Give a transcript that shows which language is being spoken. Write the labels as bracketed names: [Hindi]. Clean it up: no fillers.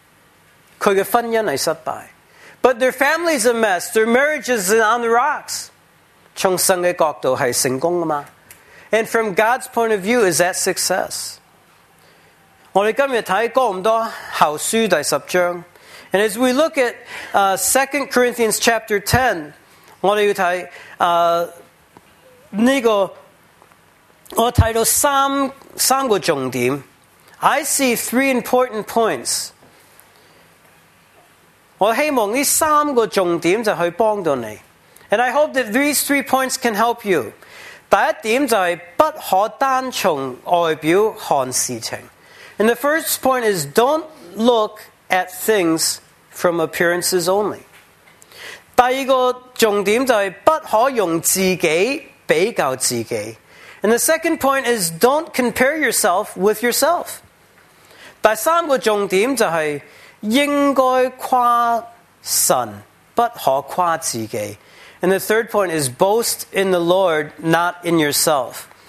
[Chinese] 但是他的家庭是失败，他的婚姻是失败. [English] But their family is a mess, their marriage is on the rocks. [Chinese] 从神的角度是成功的吗? [English] And from God's point of view, is that success? [Chinese] 我们今天看过不多后书第十章, [English] and as we look at 2 Corinthians chapter 10, [Chinese] 我们要看这个我看到三个重点, [English] I see three important points. [Chinese] 我希望这三个重点就去帮到你, [English] and I hope that these three points can help you. [Chinese] 第一点就是不可单从外表看事情. [English] And the first point is don't look at things from appearances only. [Chinese] 第二个重点就是不可用自己比较自己. [English] And the second point is don't compare yourself with yourself. [Chinese] 第三个重点就是应该夸神不可夸自己. [English] And the third point is boast in the Lord, not in yourself.